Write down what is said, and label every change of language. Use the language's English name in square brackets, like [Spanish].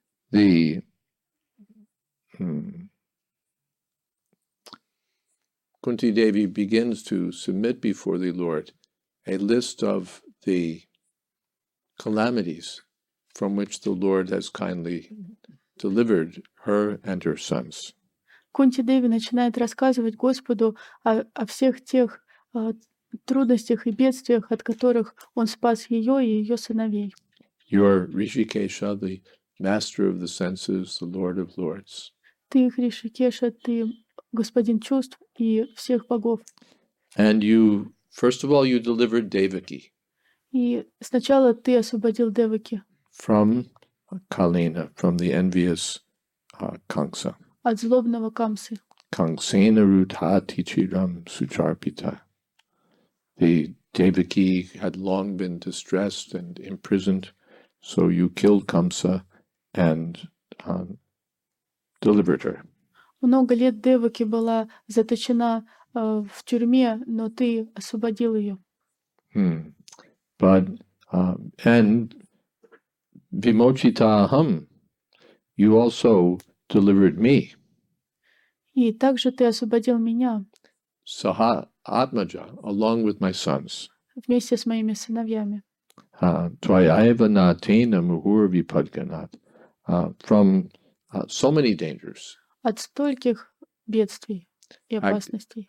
[English] The Kunti Devi begins to submit before the Lord a list of the calamities from which the Lord has kindly delivered her and her sons. [Russian] Кунти Деви начинает рассказывать Господу о всех тех трудностях и бедствиях, от которых он спас ее и ее сыновей. [English] You are Ришикеша, the master of the senses, the Lord of lords. [Russian] Ты Ришикеша, ты Господин чувств и всех богов. [English] And you, first of all, you delivered Devaki. [Russian] И сначала ты освободил Деваки. [English] From Kalena, from the envious Kamsa. [Russian] От злобного Камсы. [Sanskrit] Kangsena Rudha Tichiram Sucharpita. [English] The Devaki had long been distressed and imprisoned, so you killed Kamsa and delivered her. [Russian] Много лет Деваки была заточена в тюрьме, но ты освободил ее. [English] But and [Sanskrit] Vimochita Aham, [English] you also delivered me. [Russian] И также ты освободил меня. [Sanskrit] Saha Atmaja, [English] along with my sons. [Russian] Вместе с моими сыновьями. [Sanskrit] Twayaeva Natena Muhur Vipadganat. [English] From so many dangers. [Russian] От стольких бедствий и опасностей.